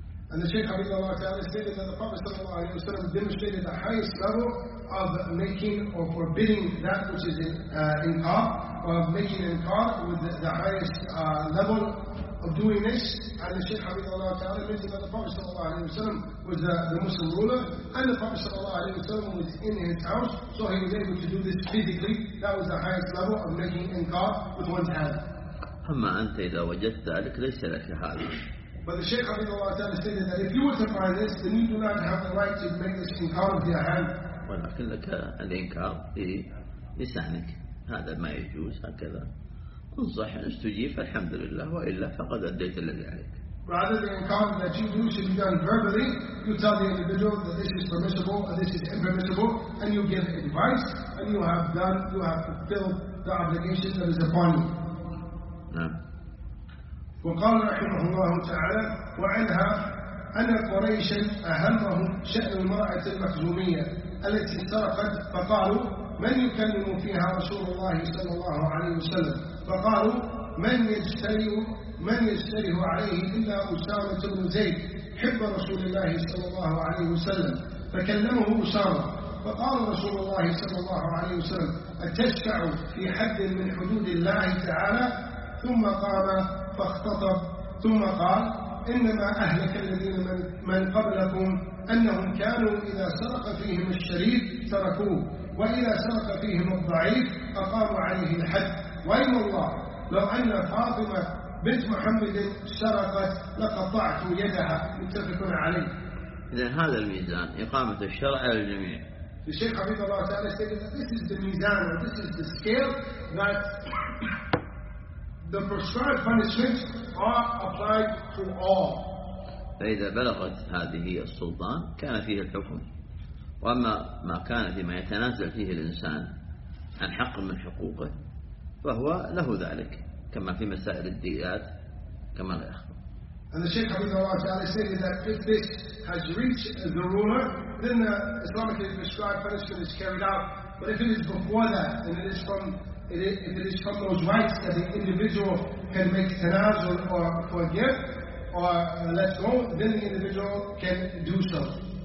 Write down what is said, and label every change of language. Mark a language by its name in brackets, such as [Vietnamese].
[English] And the Shaykh Hafidhullah Ta'ala stated that the Prophet ﷺ demonstrated the highest level of making or forbidding that which is in inkar, or of making inkar with the highest level of doing this, and the Sheikh Habib Allah Ta'ala mentioned that the Prophet Sallallahu Alaihi Wasallam was the Muslim ruler, and the Prophet Sallallahu Alaihi Wasallam was in his house, so he was able to do this physically. That was the highest level of making inkar with one's hand. [Arabic] أما أنت إذا وجدت ذلك ليس لك هذا. [English] But the Shaykh Abdul Allah Ta'ala stated that if you were to find this, then you do not have the right to make this inkar with your hand. [Arabic] ولكن لك الإنكار في لسانك هذا ما يجوز هكذا. إن صح استجيب الحمد لله وإلا فقد أديت الذي عليك. [English] Rather the inkar that you do should be done verbally. You tell the individual that this is permissible and this is impermissible, and you give advice, and you have done, you have fulfilled the obligation that is upon you. [Arabic] وقال رحمه الله تعالى وعنها أن قريشا أهمهم شأن المرأة المخزومية التي سرقت فقالوا من يكلم فيها رسول الله صلى الله عليه وسلم فقالوا من يشتريه عليه إلا أسامة بن زيد حب رسول الله صلى الله عليه وسلم فكلمه أسامة فقال رسول الله صلى الله عليه وسلم أتشفع في حد من حدود الله تعالى ثم قام فاختطف ثم قال إنما أهلك الذين من قبلكم أنهم كانوا إذا سرق فيهم الشريف سرقوه وإذا سرق فيهم الضعيف أقاموا عليه الحد وإن الله لو أن فاطمة بنت محمد سرقت لقطعت يدها متفق عليه. إذن هذا الميزان إقامة الشرع للجميع. [English] The Shaykh Habib Allah Ta'ala stated that this is the mizan, or this is the scale that the prescribed punishments are applied to all. [Arabic] فإذا بلغت هذه السلطان كان فيها الحكم، وأما ما كان فيما يتنازل فيه الإنسان عن حق من حقوقه فهو له ذلك، كما في مسائل الديات كما لا يخفى. [English] And the Shaykh Habib Allah Ta'ala stated that if this has reached the ruler, then the Islamically prescribed punishment is carried out. But if it is before that, and it is from those rights that the individual can make tanazul or forgive or let go, then the individual can do so.